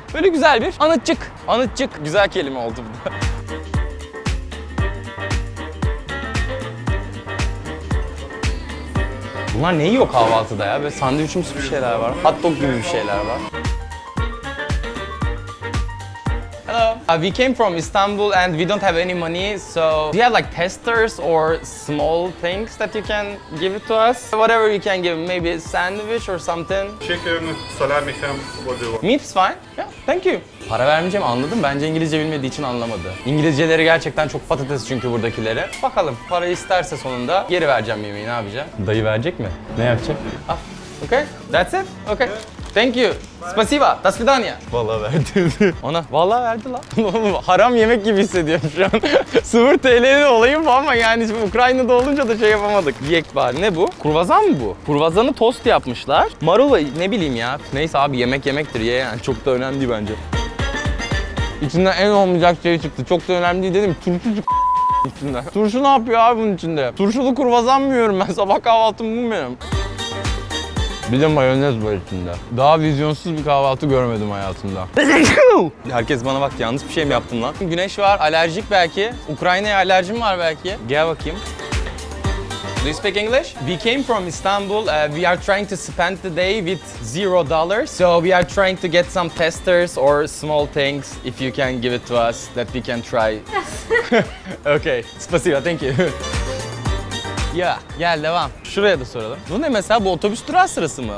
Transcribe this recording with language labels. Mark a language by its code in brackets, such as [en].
[tr] Böyle güzel bir anıtçık, güzel kelime oldu bu da. Bunlar ne yiyor kahvaltıda ya? Böyle sandviçimsi bir şeyler var. Hot dog gibi bir şeyler var. [en] Hello. We came from Istanbul and we don't have any money. So do you have like testers or small things that you can give it to us? Whatever you can give, maybe a sandwich or something. Chicken, salami, ham, what do you want? Meat's fine. Yeah, thank you. [tr] Para vermeyeceğim, anladım. Bence İngilizce bilmediği için anlamadı. İngilizceleri gerçekten çok patates çünkü buradakileri. Bakalım, para isterse sonunda geri vereceğim yemeği, ne yapacağım? Dayı verecek mi? Ne yapacak? [en] Ah, okay. That's it? Okay. Thank you. [ru] Spasiba. Dasvidaniya. [tr] Vallahi verdi. Ona. Vallahi verdi lan. Haram yemek gibi hissediyorum şu an. 0 TL'nin olayı bu ama yani Ukrayna'da olunca da şey yapamadık. Yekpare. Ne bu? Kurvazan mı bu? Kurvazanı tost yapmışlar. Marula ne bileyim ya. Neyse abi, yemek yemektir ye yani. Çok da önemli bence. İçinden en olmayacak şey çıktı. Çok da önemli değil dedim. Turşu çıktı içinden. Turşu ne yapıyor abi bunun içinde? Turşulu kurbazan mı yiyorum ben? Sabah kahvaltım bu benim. Bir de mayonez var içinde. Daha vizyonsuz bir kahvaltı görmedim hayatımda. Herkes bana bak, yanlış bir şey mi yaptım lan? Güneş var, alerjik belki. Ukrayna'ya alerjim var belki. Gel bakayım. [en] Do you speak English? We came from Istanbul. We are trying to spend the day with $0. So we are trying to get some testers or small things. If you can give it to us that we can try. Okay. [ru] Спасибо, [en] thank you. [tr] Ya, gel devam. Şuraya da soralım. Bu ne mesela? Bu otobüs durağı sırası mı?